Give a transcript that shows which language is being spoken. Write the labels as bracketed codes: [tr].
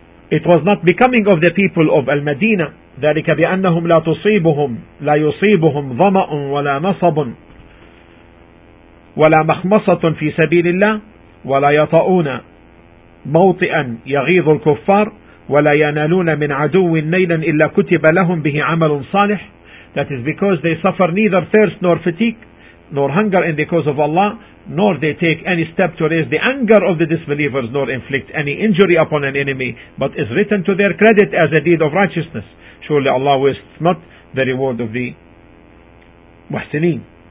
[en] it was not becoming of the people of Al-Madinah. [ar] ذلك بأنهم لا تصيبهم لا يصيبهم ظمأ ولا نصب ولا مخمصة في سبيل الله ولا يطؤون موطئا يغيظ الكفار ولا ينالون من عدو نيلا إلا كتب لهم به عمل صالح. [en] That is because they suffer neither thirst nor fatigue nor hunger in the cause of Allah, nor they take any step to raise the anger of the disbelievers, nor inflict any injury upon an enemy, but is written to their credit as a deed of righteousness. Surely Allah wastes not the reward of the muhsineen.